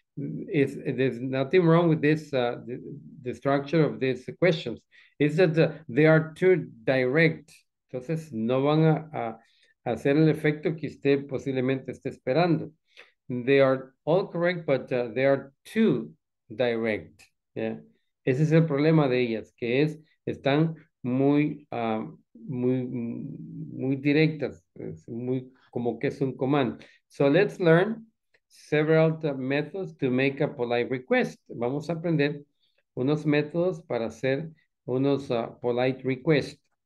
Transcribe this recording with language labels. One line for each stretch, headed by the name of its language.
English: There's nothing wrong with this, the structure of these questions. It's that they are too direct.
Spanish: Entonces, no van a hacer el efecto que usted posiblemente esté esperando.
English: They are all correct, but they are too direct. Yeah.
Spanish: Ese es el problema de ellas, que están muy, muy, muy directas, es muy, como que es un comando.
English: So let's learn several methods to make a polite request.
Spanish: Vamos a aprender unos métodos para hacer unos
English: polite requests.